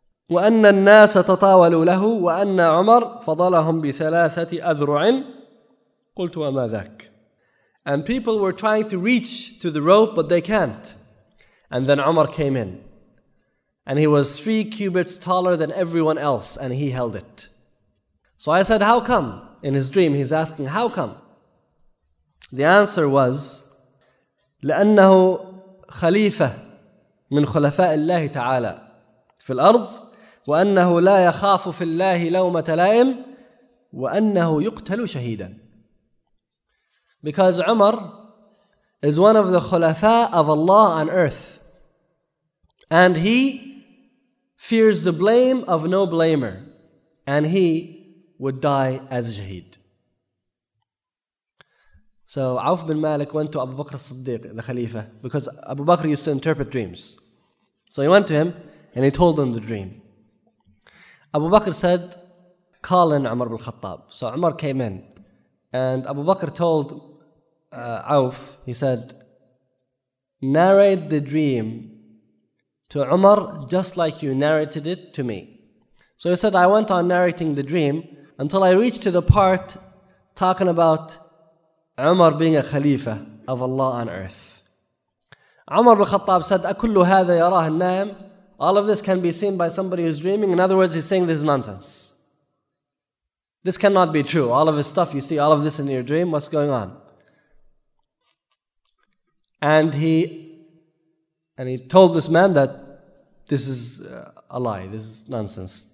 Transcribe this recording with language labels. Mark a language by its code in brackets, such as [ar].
[ar] وَأَنَّ النَّاسَ تَطَاوَلُوا لَهُ وَأَنَّ عُمَرْ فَضَلَهُمْ بِثَلَاثَةِ أَذْرُعٍ قُلْتُ وَمَا ذَاكَ. [en] And people were trying to reach to the rope, but they can't. And then Umar came in. And he was 3 cubits taller than everyone else, and he held it. So I said, how come? In his dream, he's asking, how come? The answer was, [ar] لَأَنَّهُ خَلِيفَةٌ مِنْ خُلَفَاءِ اللَّهِ تَعَالَى فِي الْأَرْضِ وَأَنَّهُ لَا يَخَافُ فِي اللَّهِ لَوْمَةَ لَائِمٍ وَأَنَّهُ يُقْتَلُ شَهِيدًا. [en] Because Umar is one of the khulafa of Allah on earth, and he fears the blame of no blamer, and he would die as a shaheed. So Awf bin Malik went to Abu Bakr as-Siddiq, the Khalifa, because Abu Bakr used to interpret dreams. So he went to him and he told him the dream. Abu Bakr said, call in Umar bin Khattab. So Umar came in and Abu Bakr told Awf, he said, narrate the dream to Umar just like you narrated it to me. So he said, I went on narrating the dream until I reached to the part talking about Umar being a Khalifa of Allah on earth. Umar al-Khattab said, [ar] أَكُلُّ هَذَا يَرَاهَ النَّائِمُ. [en] All of this can be seen by somebody who's dreaming. In other words, he's saying this is nonsense. This cannot be true. All of this stuff you see, all of this in your dream, what's going on? And he told this man that this is a lie, this is nonsense.